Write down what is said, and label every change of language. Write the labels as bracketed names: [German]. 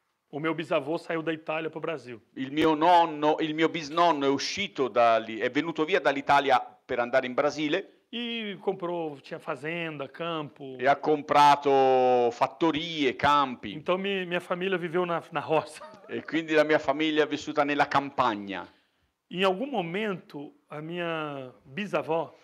[Portuguese] O meu bisavô saiu da Itália para o Brasil. [Italian] Il mio bisnonno è uscito da lì, è venuto via dall'Italia per andare in Brasile. [Portuguese] E comprou, tinha fazenda, campo. [Italian] E ha comprato fattorie, campi. [Portuguese] Então minha família viveu na roça. [Italian] E quindi la mia famiglia è vissuta nella campagna. [Portuguese] In algum momento a minha bisavó.